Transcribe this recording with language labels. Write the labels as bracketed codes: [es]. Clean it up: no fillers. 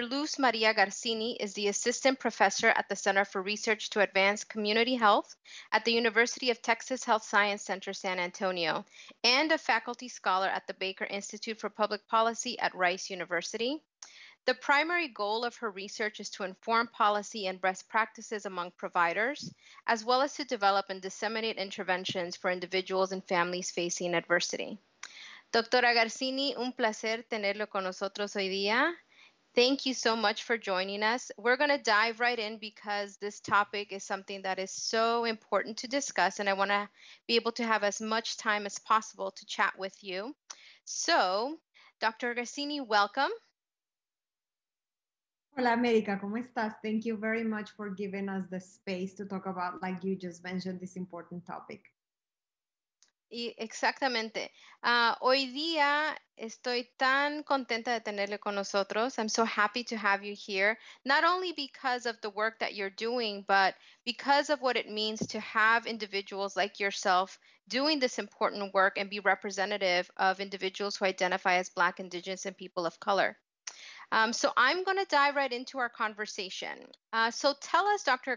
[en] Luz Maria Garcini is the Assistant Professor at the Center for Research to Advance Community Health at the University of Texas Health Science Center, San Antonio, and a faculty scholar at the Baker Institute for Public Policy at Rice University. The primary goal of her research is to inform policy and best practices among providers, as well as to develop and disseminate interventions for individuals and families facing adversity. [es] Doctora Garcini, un placer tenerlo con nosotros hoy día. [en] Thank you so much for joining us. We're going to dive right in because this topic is something that is so important to discuss, and I want to be able to have as much time as possible to chat with you. So, Dr. Garcini, welcome. [es] Hola, America. ¿Cómo estás? [en] Thank you very much for giving us the space to talk about, like you just mentioned, this important topic. [es] Exactamente. Hoy día estoy tan contenta de tenerle con nosotros. [en] I'm so happy to have you here, not only because of the work that you're doing, but because of what it means to have individuals like yourself doing this important work and be representative of individuals who identify as Black, Indigenous, and people of color. So I'm going to dive right into our conversation. So tell us, Dr.